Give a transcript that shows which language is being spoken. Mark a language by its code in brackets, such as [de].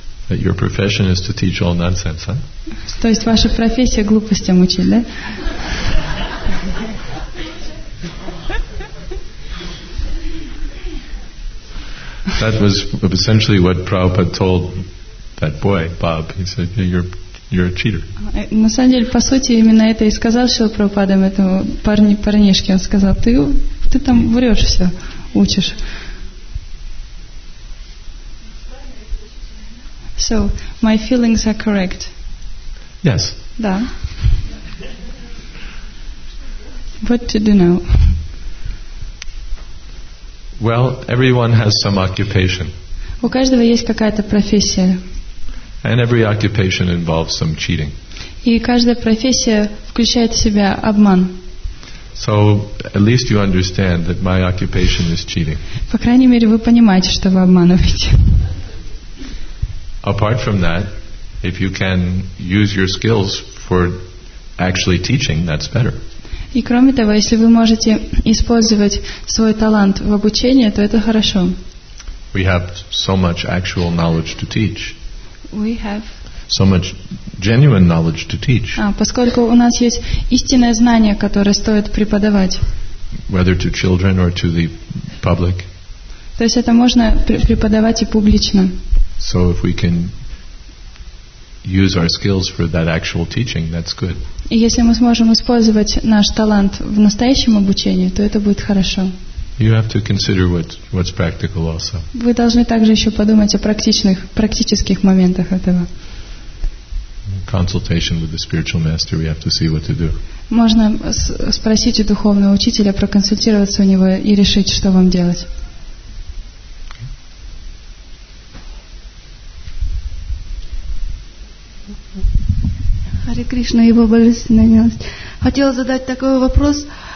[en] That your profession is to teach all nonsense, huh? [ru] То есть ваша профессия глупостям учить, да? [en] That was essentially what Prabhupada told that boy, Bob. He said, you're a cheater. [ru] На самом деле, по сути, именно это и сказал Шрила Прабхупада этому парнишке. Он сказал, ты там врешь все, учишь. [en] So my feelings are correct. Yes. [ru] Да. [en] What to do now? Well, everyone has some occupation. [ru] У каждого есть какая-то профессия. [en] And every occupation involves some cheating. [ru] И каждая профессия включает в себя обман. [en] So at least you understand that my occupation is cheating. [ru] По крайней мере, вы понимаете, что вы обманываете. [en] Apart from that, if you can use your skills for actually teaching, that's better. [ru] И кроме того, если вы можете использовать свой талант в обучении, то это хорошо. [en] We have so much actual knowledge to teach. We have so much genuine knowledge to teach. [ru] А поскольку у нас есть истинное знание, которое стоит преподавать. [en] Whether to children or to the public. [ru] То есть это можно преподавать и публично. [en] So if we can use our skills for that actual teaching, that's good. [ru] И если мы сможем использовать наш талант в настоящем обучении, то это будет хорошо. [en] You have to consider what's practical also. [ru] Вы должны также еще подумать о практических моментах этого. [en] Consultation with the spiritual master, we have to see what to do. [ru] Можно спросить у духовного учителя, проконсультироваться у него и решить, что вам делать. Харе Кришна, Его Божественная Милость. Хотела задать такой вопрос.